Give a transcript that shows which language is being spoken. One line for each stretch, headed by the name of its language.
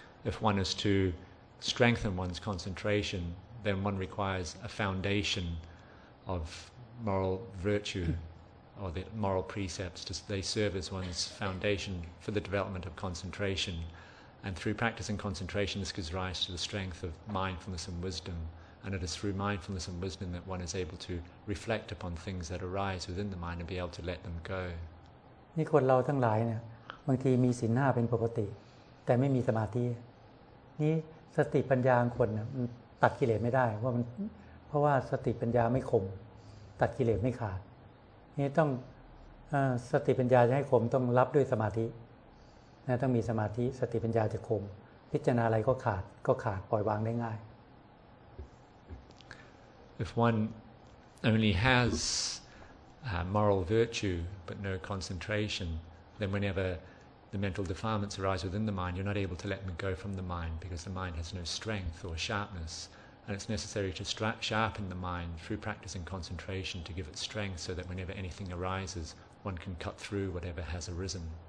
English: If one is to strengthen one's concentration, then one requires a foundation ofmoral virtue or the moral precepts, they serve as one's foundation for the development of concentration, and through practicing concentration this gives rise to the strength of mindfulness and wisdom, and it is through mindfulness and wisdom that one is able to reflect upon things that arise within the mind and be able to let them go.
Thai: นี่คนเราทั้งหลายเนี่ยบางทีมีศีล5เป็นปกติแต่ไม่มีสมาธินี่สติปัญญาคนน่ะมันตัดกิเลสไม่ได้เพราะว่าสติปัญญาไม่คมตัดกิเลสไม่ขาดนี่ต้องสติปัญญาจะให้คมต้องรับด้วยสมาธินะต้องมีสมาธิสติปัญญาจะคมพิจารณาอะไรก็ขาดปล่อยวางได้ง่าย
English: If one only has moral virtue but no concentration, then whenever the mental defilements arise within the mind, you're not able to let them go from the mind because the mind has no strength or sharpness. And it's necessary to sharpen the mind through practice and concentration to give it strength so that whenever anything arises, one can cut through whatever has arisen.